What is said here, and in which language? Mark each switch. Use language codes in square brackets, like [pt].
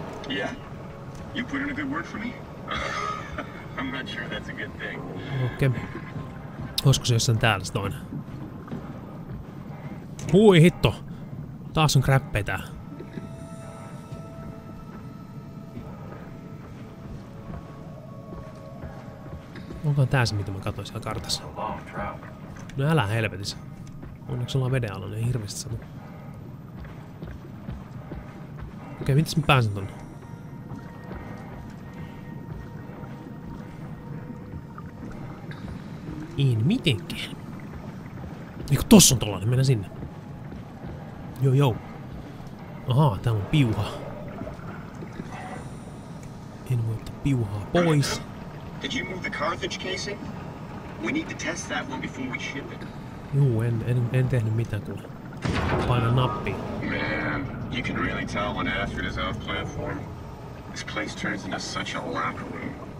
[en] Yeah. You put in a good word for me? I I'm not sure that's a good thing. [fi] Okei. Olisiko se jossain täällä se toinen? Hui hitto! Taas on kräppejä tää. Onkohan tää se mitä mä katsoin siellä kartassa? No älä helvetis. Onneksi ollaan veden alla, ne ei hirveesti satu. Okei, mitäs mä pääsen tonne? Ei mitenkään. Eiku tossa on tollanen, mennä sinne. Joo joo. Ahaa, täällä on piuha. En voi ottaa piuhaa pois. [en] Did you move the Carthage casing? We need to test that one before we ship it. [fi] Juu, en tehnyt mitään kuin painan nappia. [en] Man, you can really tell when Astrid is off platform. This place turns into such a locker room.